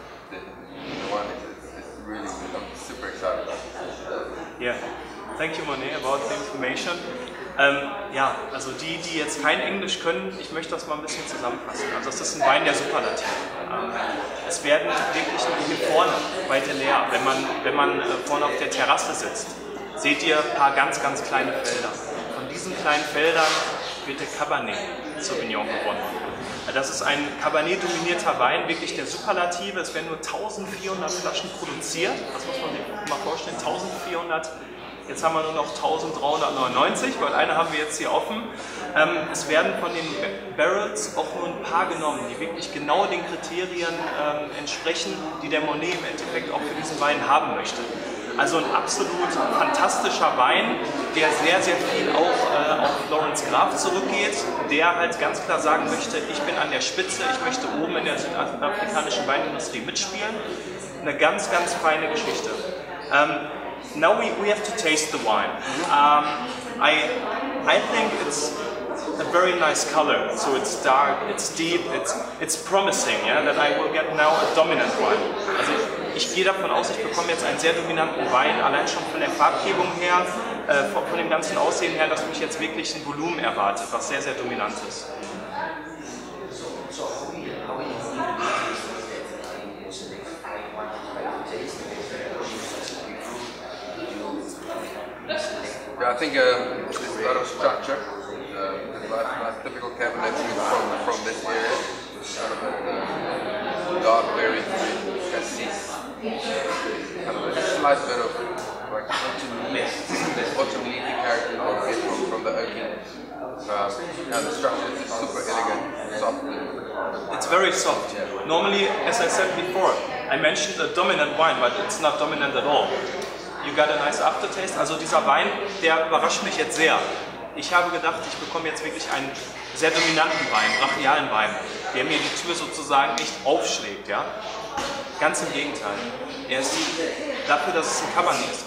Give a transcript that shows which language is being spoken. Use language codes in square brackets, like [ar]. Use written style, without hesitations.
[en] the wine is really, I'm super excited about it. Yeah, thank you, Monet, about the information. [de] Also die jetzt kein Englisch können, ich möchte das mal ein bisschen zusammenfassen. Also das ist ein Wein der Superlative. Es werden wirklich hier vorne bei Delaire, wenn man vorne auf der Terrasse sitzt, seht ihr ein paar ganz, ganz kleine Felder. Von diesen kleinen Feldern wird der Cabernet Sauvignon gewonnen. Das ist ein Cabernet-dominierter Wein, wirklich der Superlative. Es werden nur 1400 Flaschen produziert. Das muss man sich mal vorstellen. 1400, jetzt haben wir nur noch 1399, weil eine haben wir jetzt hier offen. Es werden von den Barrels auch nur ein paar genommen, die wirklich genau den Kriterien entsprechen, die der Monet im Endeffekt auch für diesen Wein haben möchte. Also ein absolut fantastischer Wein, der sehr, sehr viel auch auf Lawrence Graf zurückgeht, der halt ganz klar sagen möchte, ich bin an der Spitze, ich möchte oben in der südafrikanischen Weinindustrie mitspielen. Eine ganz, ganz feine Geschichte. [en] Now we have to taste the wine. I think it's a very nice color. So it's dark, it's deep, it's promising, yeah, that I will get now a dominant wine. [de] Also ich gehe davon aus, ich bekomme jetzt einen sehr dominanten Wein, allein schon von der Farbgebung her, von dem ganzen Aussehen her, dass mich jetzt wirklich ein Volumen erwartet, was sehr, sehr dominant ist. [en] Yeah, I think there's a lot of structure. My typical cabinet is from this area. Kind of a dark berry, cassis. Kind of a slight bit of like autumn leafy character that I get from the oak. Yeah, the structure is super elegant, soft. It's very soft. Yeah. Normally, as I said before, I mentioned a dominant wine, but it's not dominant at all. You got a nice aftertaste. [de] Also dieser Wein, der überrascht mich jetzt sehr. Ich habe gedacht, ich bekomme jetzt wirklich einen sehr dominanten Wein, brachialen Wein, der mir die Tür sozusagen nicht aufschlägt. Ja? Ganz im Gegenteil. Er ist dafür, dass es ein Cabernet ist.